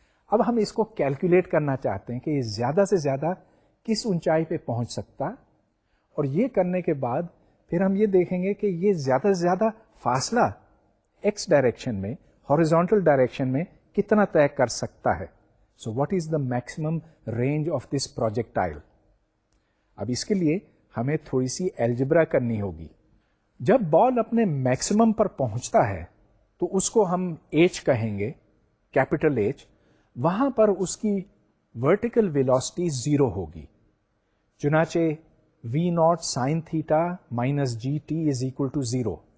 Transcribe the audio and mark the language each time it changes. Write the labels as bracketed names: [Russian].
[Urdu] اب ہم اس کو کیلکولیٹ کرنا چاہتے ہیں کہ یہ زیادہ سے زیادہ کس اونچائی پہ پہنچ سکتا, اور یہ کرنے کے بعد پھر ہم یہ دیکھیں گے کہ یہ زیادہ سے زیادہ فاصلہ ایکس ڈائریکشن میں, ہوریزونٹل ڈائریکشن میں کتنا طے کر سکتا ہے. [English] So what is the maximum range of this projectile. [Urdu] اب اس کے لیے ہمیں تھوڑی سی الجبرا کرنی ہوگی. جب بال اپنے میکسیمم پر پہنچتا ہے تو اس کو ہم ایچ کہیں گے, کیپیٹل ایچ. وہاں پر اس کی ورٹیکل ویلوسٹی 0 ہوگی. چنانچہ [English] V naught sine theta minus g t is equal to 0.